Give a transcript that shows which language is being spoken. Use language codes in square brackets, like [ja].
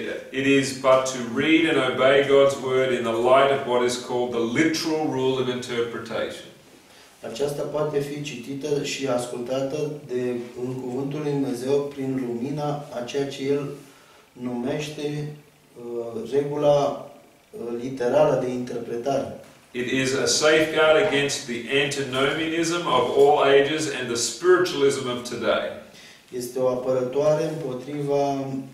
[en] it is but to read and obey God's word in the light of what is called the literal rule of interpretation. [ro] Aceasta poate fi citită și ascultată de în cuvântul lui Dumnezeu prin lumina a ceea ce el numește regula literală de interpretare. [en] It is a safeguard against the antinomianism of all ages and the spiritualism of today. [ro] Este o apărătoare împotriva